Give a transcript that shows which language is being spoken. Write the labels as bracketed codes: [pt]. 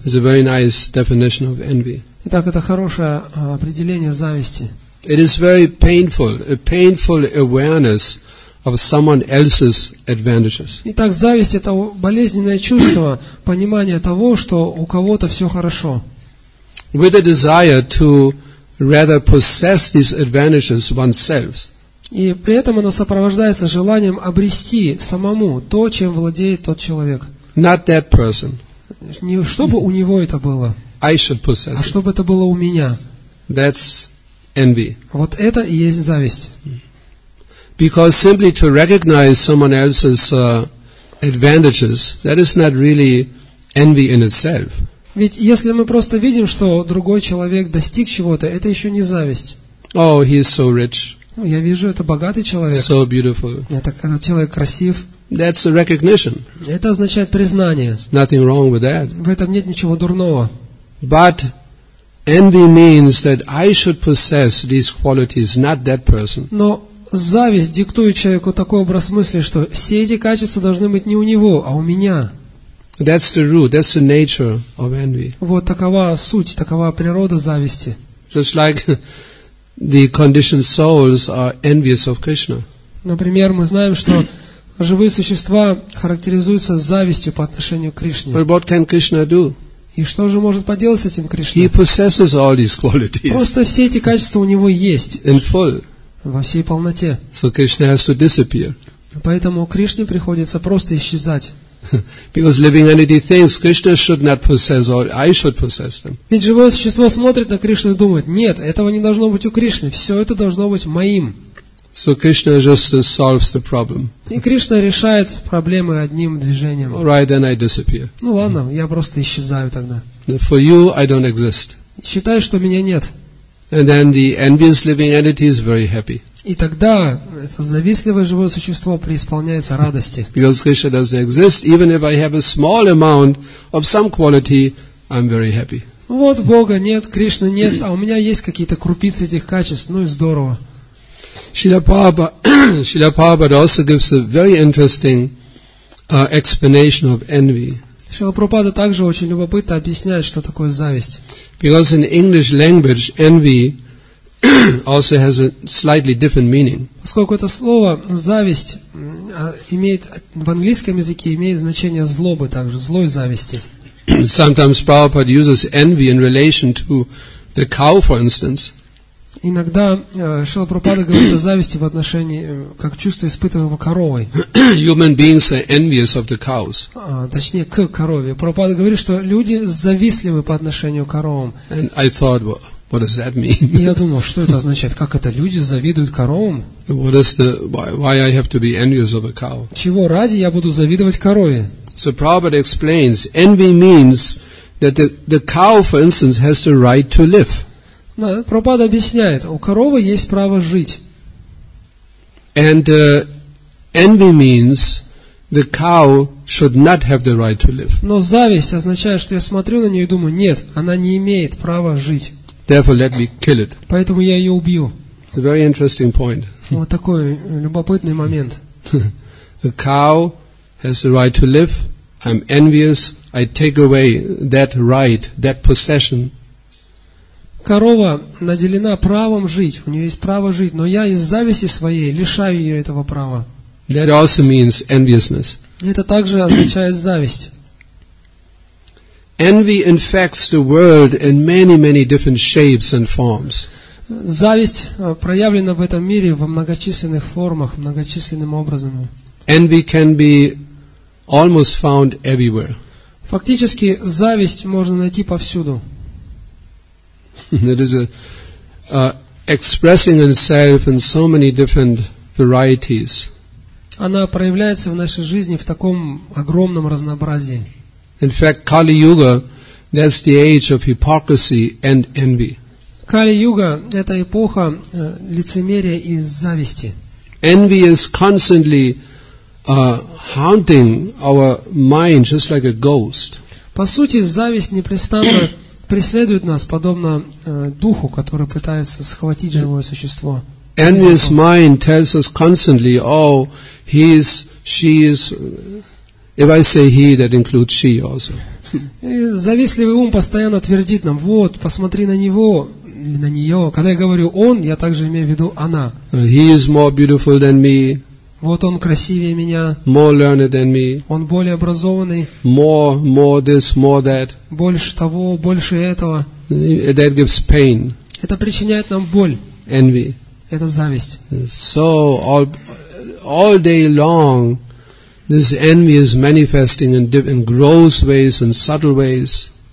[en] It's a very nice definition of envy. [ru] Итак, это хорошее определение зависти. [en] It is very painful, a painful awareness of someone else's advantages. [ru] Итак, зависть — это болезненное чувство понимания того, что у кого-то все хорошо. [en] With a desire to rather possess these advantages oneself. [ru] И при этом оно сопровождается желанием обрести самому то, чем владеет тот человек. [en] Not that person. [ru] Не чтобы у него это было. [en] I should possess. [ru] А чтобы это было у меня. [en] That's envy. [ru] Вот это и есть зависть. [en] Because simply to recognize someone else's advantages, that is not really envy in itself. [ru] Ведь если мы просто видим, что другой человек достиг чего-то, это еще не зависть. [en] Oh, he is so rich. [ru] Ну, я вижу, это богатый человек. [en] So beautiful. [ru] Это когда человек красив. [en] That's a recognition. [ru] Это означает признание. [en] Nothing wrong with that. [ru] В этом нет ничего дурного. [en] But envy means that I should possess these qualities, not that person. [ru] Но зависть диктует человеку такой образ мысли, что все эти качества должны быть не у него, а у меня. [en] That's the root. That's the nature of envy. [ru] Вот такова суть, такова природа зависти. [en] Just like the conditioned souls are envious of Krishna. [ru] Например, мы знаем, что живые существа характеризуются завистью по отношению к Кришне. [en] But what can Krishna do? [ru] И что же может поделать с этим Кришна? [en] He possesses all these qualities. [ru] Просто все эти качества у него есть. [en] In full. [ru] Во всей полноте. [en] So Krishna has to disappear. [ru] Поэтому Кришне приходится просто исчезать. [en] Because living entity thinks Krishna should not possess all, I should possess them. [ru] Ведь живое существо смотрит на Кришну и думает: нет, этого не должно быть у Кришны, все это должно быть моим. [en] So Krishna just solves the problem. [ru] И Кришна решает проблемы одним движением. [en] All right, then I disappear. [ru] Ну ладно, я просто исчезаю тогда. [en] For you, I don't exist. [ru] Считай, что меня нет. [en] And then the envious living entity is very happy. [ru] И тогда это завистливое живое существо преисполняется радости. [en] Because Krishna doesn't exist, even if I have a small amount of some quality, I'm very happy. [ru] Вот Бога нет, Кришны нет, а у меня есть какие-то крупицы этих качеств, ну и здорово. [en] Srila Prabhupada also gives a very interesting explanation of envy. [ru] Srila Prabhupada также очень любопытно объясняет, что такое зависть. [en] Because in English language, envy also has a slightly different meaning. [ru] Поскольку это слово зависть имеет в английском языке имеет значение злобы, также злой зависти. [en] Sometimes Prabhupada uses envy in relation to the cow, for instance. [ru] Иногда Шрила Прабхупада говорит о зависти в отношении как чувство, испытываемое коровой. [en] Human beings are envious of the cows. [ru] Точнее, к корове. Прабхупада говорит, что люди завистливы по отношению к коровам. [en] And I thought, well, what does that mean? [ru] Я думал, что это означает? Как это люди завидуют коровам? [en] What is the why I have to be envious of a cow? [ru] Чего ради я буду завидовать корове? [en] So Prabhupada explains, envy means that the cow, for instance, has the right to live. [ru] Да, Прабхупада объясняет, у коровы есть право жить. [en] And envy means the cow should not have the right to live. [ru] Но зависть означает, что я смотрю на нее и думаю, нет, она не имеет права жить. [en] Therefore, let me kill it. [ru] Поэтому я ее убью. [en] It's a very interesting point. [ru] Вот такой любопытный момент. [en] A cow has the right to live. I'm envious. I take away that right, that possession. [ru] Корова наделена правом жить. У нее есть право жить, но я из зависти своей лишаю ее этого права. [en] That also means enviousness. [ru] Это также означает зависть. [en] Envy infects the world in many, many different shapes and forms. [ru] Зависть проявлена в этом мире во многочисленных формах, многочисленными образами. [en] Envy can be almost found everywhere. [ru] Фактически, зависть можно найти повсюду. [en] It is expressing itself in so many different varieties. [ru] Она проявляется в нашей жизни в таком огромном разнообразии. [en] In fact, Kali Yuga, that's the age of hypocrisy and envy. [ru] Кали-юга – это эпоха лицемерия и зависти. [en] Envy is constantly haunting our mind, just like a ghost. [ru] По сути, зависть непрестанно преследует нас, подобно духу, который пытается схватить живое существо. [en] Envy's mind tells us constantly, oh, he is, she is, if I say he, that includes she also. [ru] Завистливый ум постоянно твердит нам, вот, посмотри на него, или на нее. Когда я говорю он, я также имею в виду она. [en] He is more beautiful than me. [ru] Вот он красивее меня. [en] More learned than me. [ru] Он более образованный. [en] More this, more that. [ru] Больше того, больше этого. [en] That gives pain. [ru] Это причиняет нам боль. [en] Envy. [ru] Это зависть. [en] So all day long, this envy is manifesting in gross ways and subtle ways.